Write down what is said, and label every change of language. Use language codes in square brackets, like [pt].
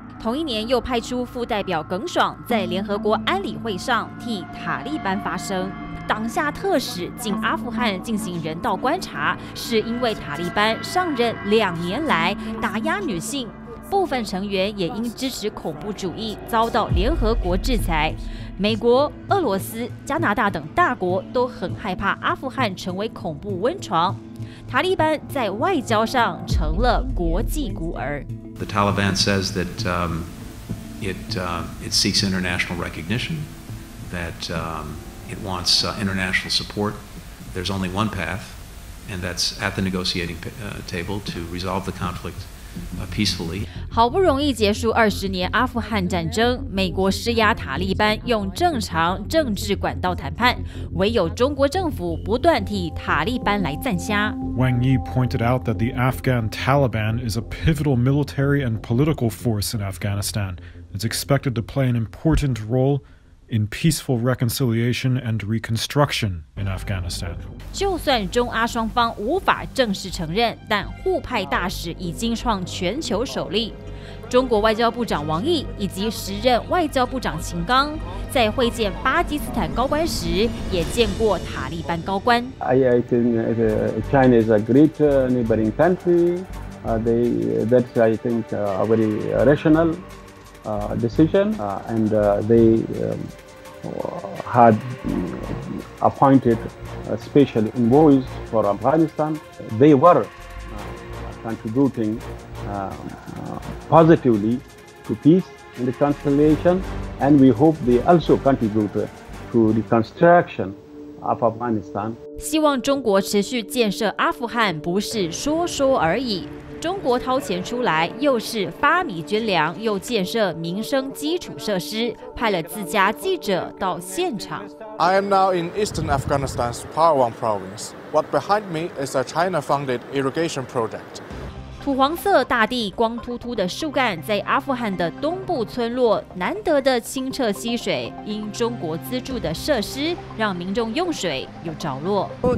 [zh] 同一年又派出副代表耿爽在联合国安理会上替塔利班发声，党下特使进阿富汗进行人道观察，是因为塔利班上任两年来打压女性，部分成员也因支持恐怖主义遭到联合国制裁。美国、俄罗斯、加拿大等大国都很害怕阿富汗成为恐怖温床，塔利班在外交上成了国际孤儿。 [en] The Taliban says that it seeks international recognition, that it wants international support. There's only one path, and that's at the negotiating table to resolve the conflict peacefully. [zh] 好不容易结束20年阿富汗战争，美国施压塔利班用正常政治管道谈判，唯有中国政府不断替塔利班来赞虾。 [en] Wang Yi pointed out that the Afghan Taliban is a pivotal military and political force in Afghanistan. It's expected to play an important role in peaceful reconciliation and reconstruction in Afghanistan. [zh] 就算中阿双方无法正式承认，但互派大使已经创全球首例。中国外交部长王毅以及时任外交部长秦刚在会见巴基斯坦高官时，也见过塔利班高官。 [en] I think the China is a great neighboring country. That's I think a very rational decision, and they had appointed a special envoys for Afghanistan. They were contributing positively to peace and reconciliation, and we hope they also contribute to reconstruction of Afghanistan. [zh] 希望中国持续建设阿富汗不是说说而已。中国掏钱出来，又是发米捐粮，又建设民生基础设施，派了自家记者到现场。 [en] I am now in eastern Afghanistan's Parwan province. What behind me is a China-funded irrigation project. [zh] 土黄色大地，光秃秃的树干，在阿富汗的东部村落，难得的清澈溪水，因中国资助的设施，让民众用水有着落。